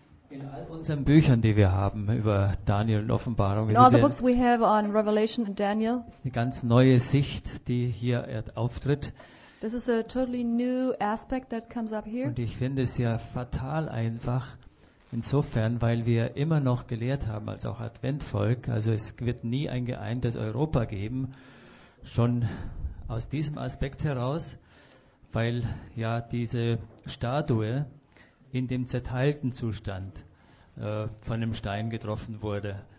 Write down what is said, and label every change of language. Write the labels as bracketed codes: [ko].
[de] In all unseren Büchern, die wir haben über Daniel und Offenbarung, [en] in all the books we have on Revelation and Daniel, [de] eine ganz neue Sicht, die hier auftritt. [en] This is a totally new aspect that comes up here. [de] Und ich finde es ja fatal einfach, insofern, weil wir immer noch gelehrt haben, als auch Adventvolk, also es wird nie ein geeintes Europa geben, schon aus diesem Aspekt heraus, weil ja diese Statue in dem zerteilten Zustand von einem Stein getroffen wurde.